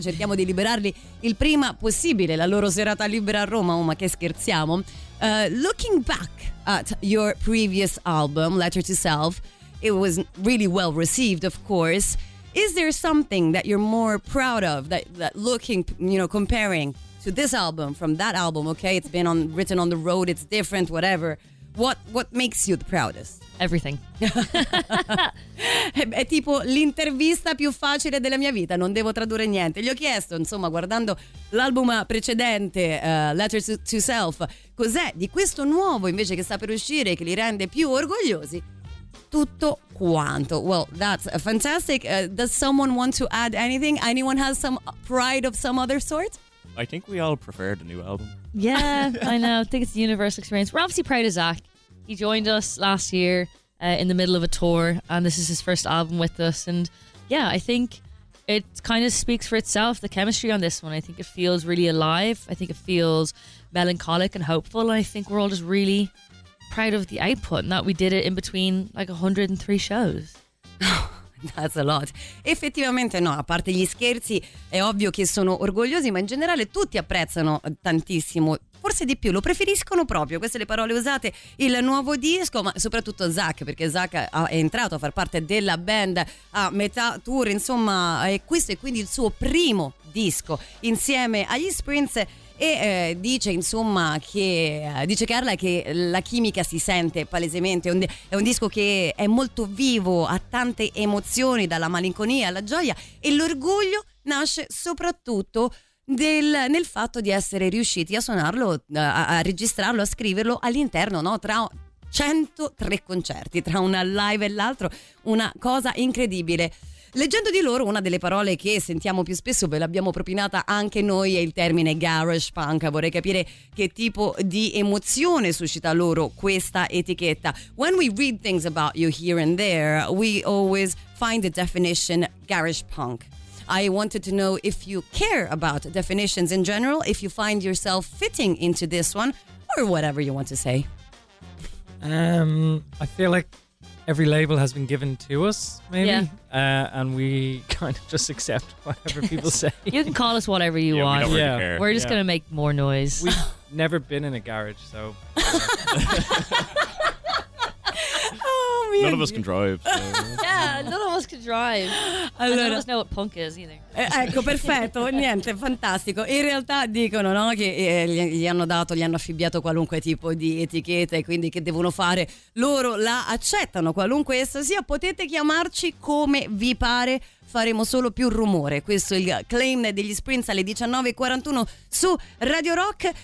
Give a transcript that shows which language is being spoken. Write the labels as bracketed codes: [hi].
[it] Cerchiamo di liberarli il prima possibile, la loro serata libera a Roma. Oh, ma che scherziamo. [en] Looking back at your previous album, Letter to Self, it was really well received, of course. Is there something that you're more proud of, that looking, you know, comparing to this album from that album? Okay, it's been written on the road, it's different, whatever. What makes you the proudest? Everything. [it] È tipo l'intervista più facile della mia vita, non devo tradurre niente. Gli ho chiesto, insomma, guardando l'album precedente, Letters to Self, cos'è di questo nuovo invece che sta per uscire che li rende più orgogliosi? Tutto quanto. [en] Well, that's fantastic. Does someone want to add anything? Anyone has some pride of some other sort? I think we all prefer the new album. Yeah, I know. I think it's the universal experience. We're obviously proud of Zach. He joined us last year in the middle of a tour, and this is his first album with us. And yeah, I think it kind of speaks for itself, the chemistry on this one. I think it feels really alive. I think it feels melancholic and hopeful. And I think we're all just really proud of the output and that we did it in between like 103 shows. That's a lot. [it] Effettivamente no, a parte gli scherzi, è ovvio che sono orgogliosi, ma in generale tutti apprezzano tantissimo, forse di più, lo preferiscono proprio, queste le parole usate, il nuovo disco, ma soprattutto Zach, perché Zach è entrato a far parte della band a metà tour, insomma, e questo è quindi il suo primo disco insieme agli Sprints. E dice, insomma, che dice Carla che la chimica si sente palesemente, è un disco che è molto vivo, ha tante emozioni, dalla malinconia alla gioia, e l'orgoglio nasce soprattutto nel fatto di essere riusciti a suonarlo, a registrarlo, a scriverlo all'interno, no? Tra 103 concerti, tra una live e l'altro, una cosa incredibile. Leggendo di loro, una delle parole che sentiamo più spesso, ve l'abbiamo propinata anche noi, è il termine garage punk. Vorrei capire che tipo di emozione suscita loro questa etichetta. [en] When we read things about you here and there, we always find the definition garage punk. I wanted to know if you care about definitions in general, if you find yourself fitting into this one, or whatever you want to say. I feel like every label has been given to us, maybe, yeah. And we kind of just accept whatever people say. You can call us whatever you yeah, want. We don't really yeah. care. We're just yeah. gonna make more noise. We've never been in a garage, so. None of us can drive. So. Yeah, none of us can drive. Allora, none of us know what punk is either. [it] Ecco, perfetto, niente, fantastico. In realtà dicono, no, che gli hanno affibbiato qualunque tipo di etichetta, e quindi che devono fare, loro la accettano qualunque essa sia. Potete chiamarci come vi pare, faremo solo più rumore. Questo è il claim degli Sprints alle 19.41 su Radio Rock.